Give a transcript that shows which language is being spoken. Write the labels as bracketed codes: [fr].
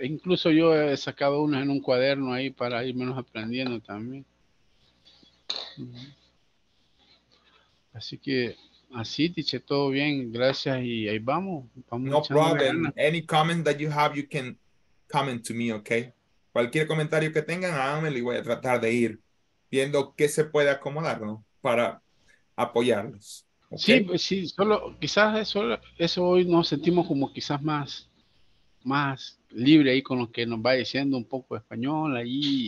[es] Incluso yo he sacado uno en un cuaderno ahí para ir menos aprendiendo también. Uh-huh. Así que, así, dice, todo bien, gracias y ahí vamos. [en] No problem. Any comment that you have, you can comment to me, okay? [es] Cualquier comentario que tengan, háganmelo y voy a tratar de ir viendo qué se puede acomodar, ¿no? Para apoyarlos. [en] Okay? [es] Sí, sí, solo quizás eso hoy nos sentimos como quizás más libre ahí con lo que nos va diciendo un poco de español ahí.